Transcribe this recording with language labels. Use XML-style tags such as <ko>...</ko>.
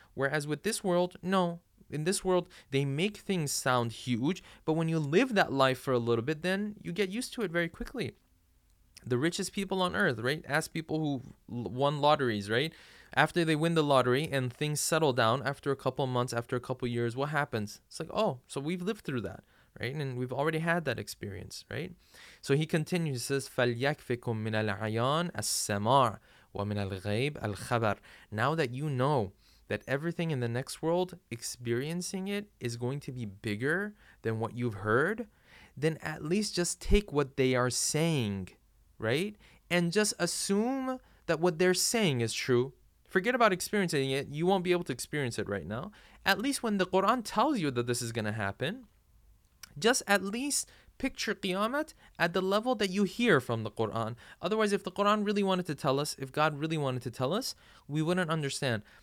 <en>Whereas with this world, no. In this world, they make things sound huge, but when you live that life for a little bit, then you get used to it very quickly. The richest people on earth, right? Ask people who won lotteries, right? After they win the lottery and things settle down after a couple of months, after a couple of years, what happens? It's like, oh, so we've lived through that, right? And we've already had that experience, right? So he continues, he says,</en> <ar>فَلْيَكْفِكُمْ مِنَ الْعَيَانِ السَّمَارِ وَمِنَ الْغَيْبِ الْخَبَرِ.</ar> <en>Now that you know that everything in the next world, experiencing it is going to be bigger than what you've heard, then at least just take what they are saying, right? And just assume that what they're saying is true. Forget about experiencing it. You won't be able to experience it right now. At least when the Quran tells you that this is going to happen, just at least picture Qiyamah at the level that you hear from the Quran. Otherwise, if God really wanted to tell us, we wouldn't understand.</en>